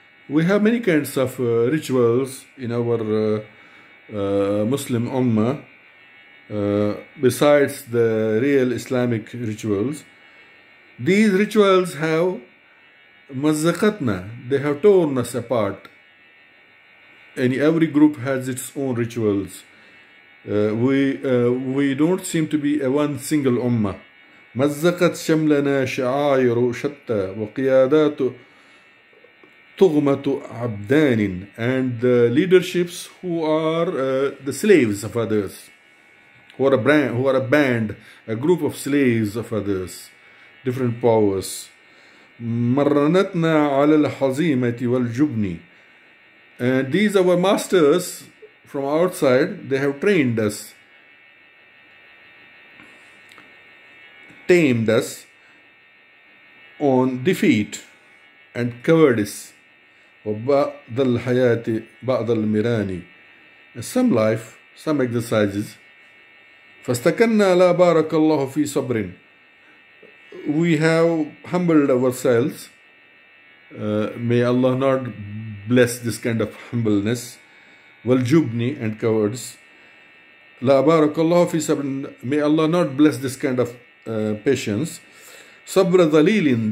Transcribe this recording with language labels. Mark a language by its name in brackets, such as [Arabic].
[English] We have many kinds of rituals in our Muslim ummah besides the real Islamic rituals. These rituals have mazzaqatna, they have torn us apart. And every group has its own rituals. We don't seem to be a one single ummah. [Arabic] مزقت شملنا شعائر شتى وقيادات طغمة عبدان. [English] And the leaderships who are the slaves of others, who are a band, a group of slaves of others, different powers. [Arabic] مرنتنا على الحزيمة والجبن. [English] And these are our masters from outside, they have trained us, tamed us on defeat and cowardice. [Arabic] وبعض الحياة بعض المراني. [English] Some life, some exercises. [Arabic] فاستكنا لا بارك الله في صبر. [English] We have humbled ourselves. May Allah not bless this kind of humbleness. [Arabic] والجبن [English] and cowards. [Arabic] لا بارك الله في صبر. [English] May Allah not bless this kind of patience. [Arabic] صبر ذليل.